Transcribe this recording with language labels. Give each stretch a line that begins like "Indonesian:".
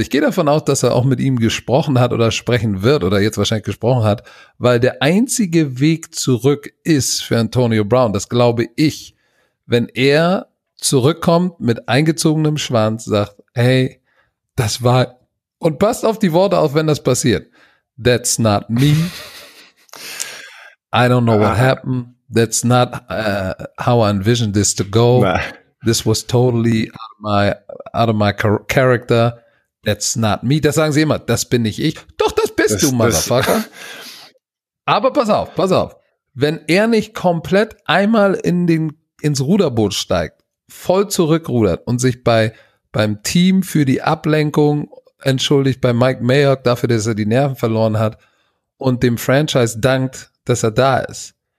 German: Ich gehe davon aus, dass er auch mit ihm gesprochen hat oder sprechen wird oder jetzt wahrscheinlich gesprochen hat, weil der einzige Weg zurück ist für Antonio Brown. Das glaube ich. Wenn er zurückkommt mit eingezogenem Schwanz, sagt, hey, das war, und passt auf die Worte auf, wenn das passiert.
English: That's not me. I don't know what happened. That's not how I envisioned this to go. This was totally out of my character. That's not me.
German: Das sagen sie immer. Das bin nicht ich. Doch, das bist du, Motherfucker. Aber pass auf. Wenn er nicht komplett einmal ins Ruderboot steigt, voll zurückrudert und sich beim Team für die Ablenkung entschuldigt, bei Mike Mayock dafür, dass er die Nerven verloren hat und dem Franchise dankt, dass er da ist.